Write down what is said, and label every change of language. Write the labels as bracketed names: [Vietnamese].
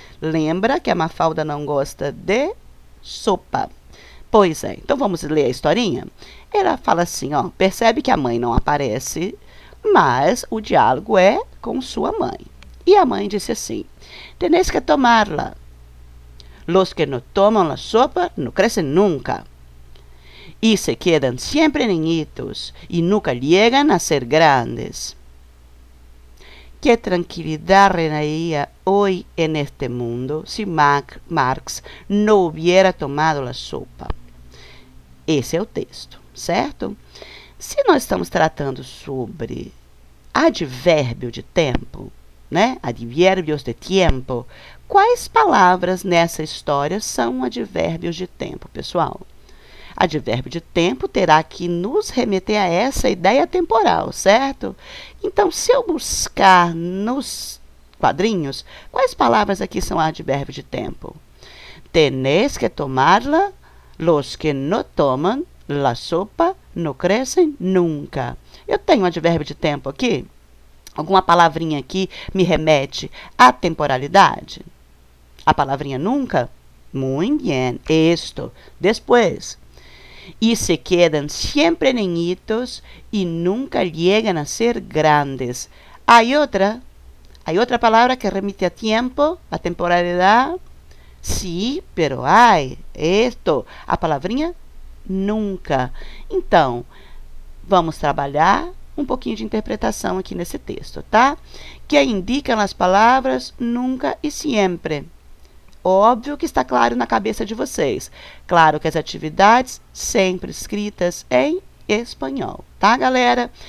[Portuguese] Lembra que a Mafalda não gosta de sopa? Pois é, então vamos ler a historinha? Ela fala assim, ó, percebe que a mãe não aparece, mas o diálogo é com sua mãe. E a mãe disse assim: [Spanish] Tenés que tomarla. Los que no toman la sopa no crecen nunca. Y se quedan siempre niñitos y nunca llegan a ser grandes. Qué tranquilidad reinaría hoy en este mundo si Marx no hubiera tomado la sopa. [Portuguese] Esse é o texto, certo? Se nós estamos tratando sobre advérbio de tempo, né? Adverbios de tempo, quais palavras nessa história são advérbios de tempo, pessoal? Advérbio de tempo terá que nos remeter a essa ideia temporal, certo? Então, se eu buscar nos quadrinhos, quais palavras aqui são advérbio de tempo? [Spanish] Tenés que tomarla, los que no toman la sopa no crecen nunca. [Portuguese] Eu tenho advérbio de tempo aqui? Alguma palavrinha aqui me remete à temporalidade? A palavrinha nunca? [Spanish] Muy bien, esto, después. E se quedan siempre niñitos e nunca llegan a ser grandes. Hay otra palavra que remite a tiempo, a temporalidade? Sí, pero hay esto, [Portuguese] a palavrinha nunca. Então, vamos trabalhar um pouquinho de interpretação aqui nesse texto, tá? Que indicam as palavras nunca e sempre. Óbvio que está claro na cabeça de vocês. Claro que as atividades sempre escritas em espanhol, tá, galera?